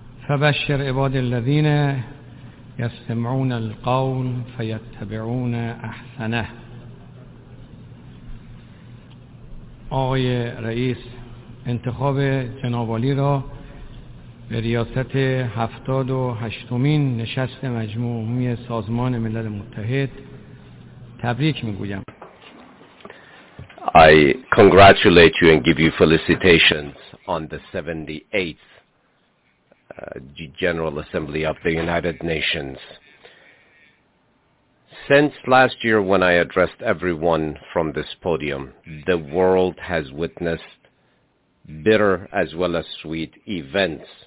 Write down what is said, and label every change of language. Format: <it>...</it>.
<ar>Fabashir ibadilladhina يستمعون القول فيتبعون أحسنه.</ar> <fa>آقای رئیس، انتخاب جناب‌عالی را به ریاست 78th نشست مجموع عمومی سازمان ملل متحد تبریک می‌گویم.</fa> <en>I congratulate you and give you felicitations on the 78th General Assembly of the United Nations. Since last year when I addressed everyone from this podium, the world has witnessed bitter as well as sweet events.</en>